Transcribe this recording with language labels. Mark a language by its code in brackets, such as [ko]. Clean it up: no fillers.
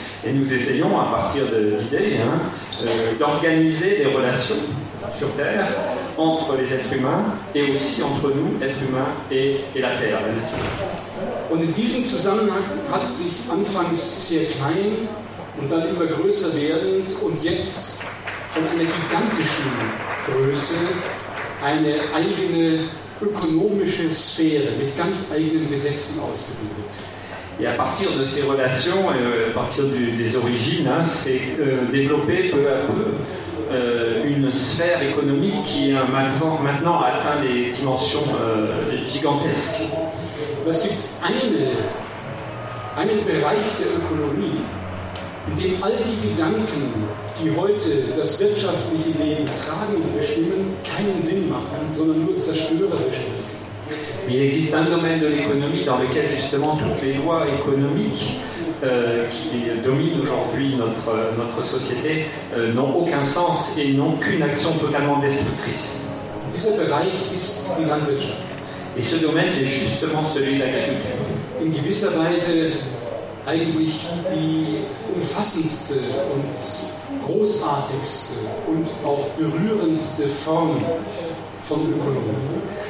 [fr] Et nous essayons à partir d'idées d'organiser des relations sur Terre entre les êtres humains et aussi entre nous, êtres humains et la Terre, la nature. [de] Und in diesem Zusammenhang hat sich anfangs sehr klein und dann immer größer werdend und jetzt von einer gigantischen Größe eine eigene ökonomische Sphäre mit ganz eigenen Gesetzen ausgebildet. [fr] Et à partir de ces relations, et à partir des origines, c'est développé peu à peu une sphère économique qui maintenant atteint des dimensions gigantesques. [de] Es gibt einen Bereich der Ökonomie, in dem all die Gedanken, die heute das wirtschaftliche Leben tragen und bestimmen, keinen Sinn machen, sondern nur zerstörerisch sind. [fr] Il existe un domaine de l'économie dans lequel justement toutes les lois économiques qui dominent aujourd'hui notre société n'ont aucun sens et n'ont qu'une action totalement destructrice. [de] Und dieser Bereich ist die Landwirtschaft. [fr] Et ce domaine, c'est justement celui de l'agriculture. [de] In gewisser Weise eigentlich die umfassendste und großartigste und auch berührendste Form von Ökonomie.